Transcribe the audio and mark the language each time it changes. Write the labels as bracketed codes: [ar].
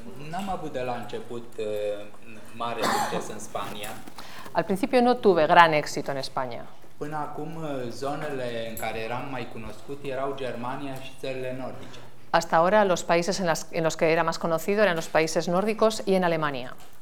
[ro] N-am avut de la început mare succes în Spania. [es] Al principio no tuve gran éxito en España. [ro] Până acum zonele în care eram mai cunoscut erau Germania și țările nordice. [es] Hasta ahora los países en los que era más conocido eran los países nórdicos y en Alemania.